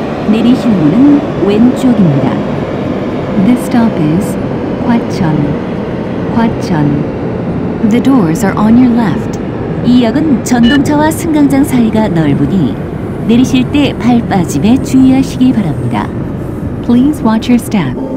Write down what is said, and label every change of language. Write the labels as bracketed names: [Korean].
[Korean] 내리실 문은 왼쪽입니다. [English] This stop is 화천, 화천. The doors are on your left. [Korean] 이 역은 전동차와 승강장 사이가 넓으니 내리실 때 발 빠짐에 주의하시기 바랍니다. [English] Please watch your step.